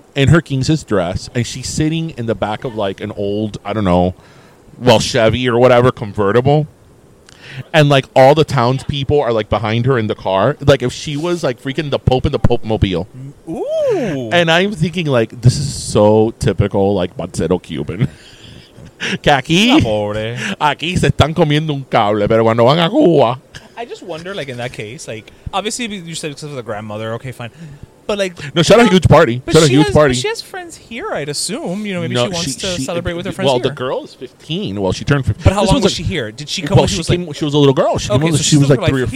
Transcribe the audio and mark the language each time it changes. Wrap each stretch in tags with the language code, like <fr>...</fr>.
<en>in her Kings's dress. And she's sitting in the back of, like, an old, I don't know, well, Chevy or whatever convertible. And, like, all the townspeople are, like, behind her in the car. Like, if she was, like, freaking the Pope in the Pope Mobile. Ooh. And I'm thinking, like, this is so typical, like, Montero Cuban.</en> <es>Que aquí, aquí se están comiendo un cable, pero cuando van a Cuba.</es> <en>I just wonder, like, in that case, like, obviously you said because of the grandmother. Okay, fine. But, like, no, shout out a huge party. Shout out a huge party. But she has friends here, I'd assume. You know, maybe she wants to celebrate with her friends here. Well, the girl is 15. Well, she turned 15. But how long was, like, she here? Did she come she was a little girl. She was like three or four.</en>